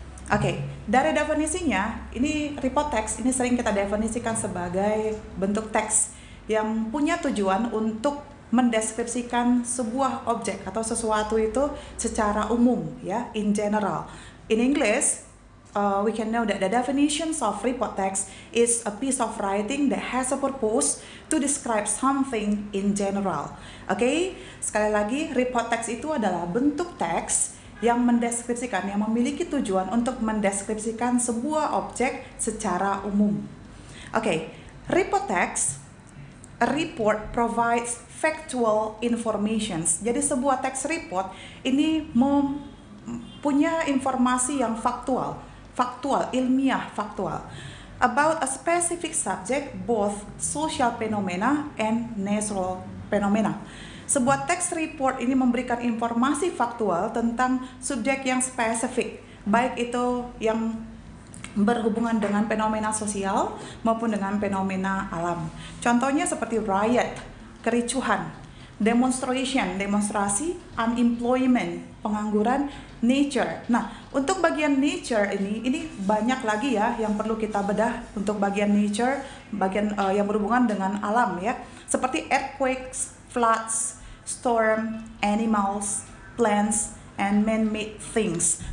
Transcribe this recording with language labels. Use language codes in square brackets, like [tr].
[id] Oke, dari definisinya, ini report text ini sering kita definisikan sebagai bentuk teks yang punya tujuan untuk mendeskripsikan sebuah objek atau sesuatu itu secara umum, ya, in general. [en] In English, we can know that the definition of report text is a piece of writing that has a purpose to describe something in general. [id] Okay, sekali lagi, report text itu adalah bentuk teks yang mendeskripsikan, yang memiliki tujuan untuk mendeskripsikan sebuah objek secara umum. [en] Okay, report text, a report provides factual information. [id] Jadi sebuah teks report ini punya informasi yang faktual. Faktual, ilmiah, faktual. [en] About a specific subject, both social phenomena and natural phenomena. [id] Sebuah teks report ini memberikan informasi faktual tentang subjek yang spesifik, baik itu yang berhubungan dengan fenomena sosial maupun dengan fenomena alam. Contohnya seperti riot, kericuhan, demonstration, demonstrasi, unemployment, pengangguran, nature. Nah, untuk bagian nature ini banyak lagi ya yang perlu kita bedah untuk bagian nature, bagian yang berhubungan dengan alam ya. [en] Seperti earthquakes, floods, storm, animals, plants, and man-made things.